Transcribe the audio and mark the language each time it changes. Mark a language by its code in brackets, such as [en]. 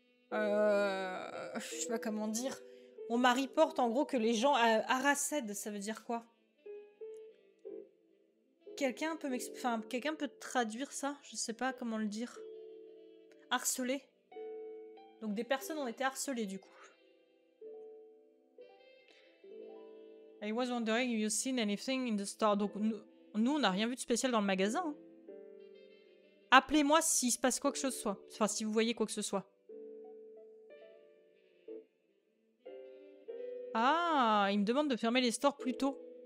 [fr] Je sais pas comment dire. On m'a reporté en gros que les gens harassèdent, ça veut dire quoi? Quelqu'un peut m'expliquer, enfin, quelqu'un peut traduire ça? Je sais pas comment le dire. Harcelé. Donc des personnes ont été harcelées du coup. [en] I was wondering if you've seen anything in the store. [fr] Donc nous on n'a rien vu de spécial dans le magasin. Hein. Appelez-moi s'il se passe quoi que ce soit. Enfin, si vous voyez quoi que ce soit. Ah, il me demande de fermer les stores plus tôt.